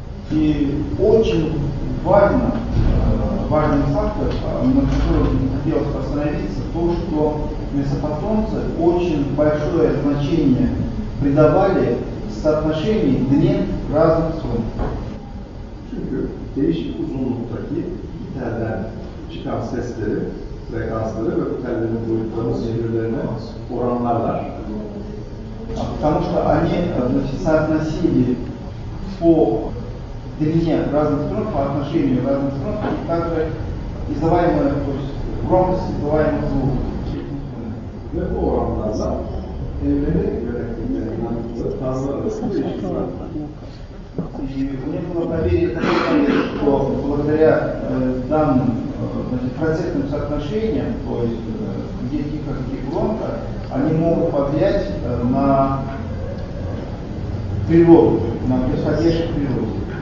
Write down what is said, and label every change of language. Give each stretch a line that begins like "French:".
Russian: И очень важно, важный фактор, на котором хотелось остановиться, то, что месопотомцы очень большое значение придавали соотношению длин разных струн.
Turkish: Çünkü değişik uzunluktaki telden çıkan sesleri, frekansları ve tellerin boyutlarını birbirlerine oranlarlar.
Russian: Потому что они соотносили по длине разных струн, по отношению разных струн, и также издаваемые, то есть громкость издаваемых звуков.
Turkish: Ve bu oranlarla evrene göre tanımlarla bu değişiklikler.
Russian: И мне было доверие, что благодаря данным процентным соотношениям, то есть где тихо, где громко, они могут повлиять на природу, на происходящую природу.